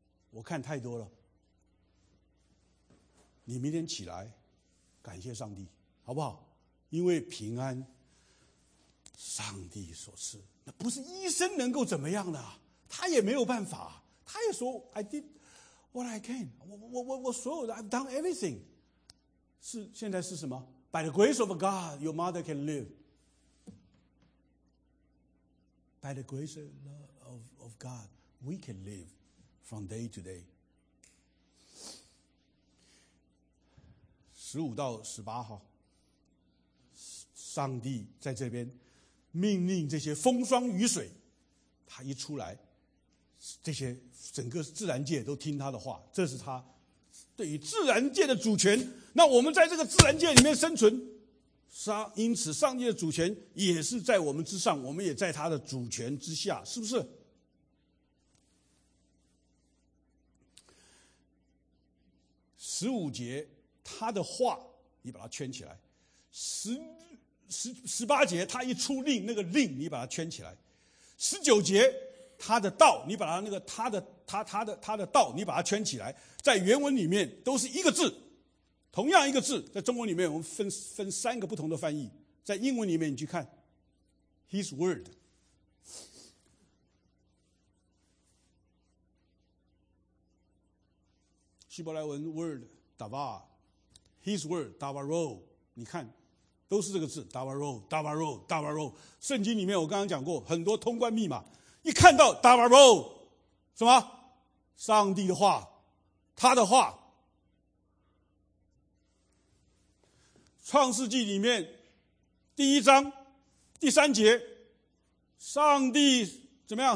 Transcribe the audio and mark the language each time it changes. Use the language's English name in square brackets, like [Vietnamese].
[Chinese] 我看太多了，你明天起来，感谢上帝，好不好？因为平安，上帝所赐，那不是医生能够怎么样的，他也没有办法，他也说 [English] I did what I can， [Chinese] 我所有的 [English] I've done everything， [Chinese] 是现在是什么？ [English] By the grace of God, your mother can live. By the grace of God, we can live from day to day. [Chinese] 15到18号，上帝在这边命令这些风霜雨水，他一出来，这些整个自然界都听他的话，这是他对于自然界的主权。那我们在这个自然界里面生存，因此上帝的主权也是在我们之上，我们也在他的主权之下，是不是？十五节他的话你把它圈起来，十八节他一出令，那个令你把它圈起来，十九节他的道你把他那个他的道你把它圈起来，在原文里面都是一个字，同样一个字，在中文里面我们分三个不同的翻译。在英文里面你去看 His word， 希伯来文 word davar， His word davaro， 你看都是这个字 davaro davaro davaro。圣经里面我刚刚讲过很多通关密码，一看到 davaro 什么？上帝的话，他的话。创世纪里面第一章第三节，上帝怎么样？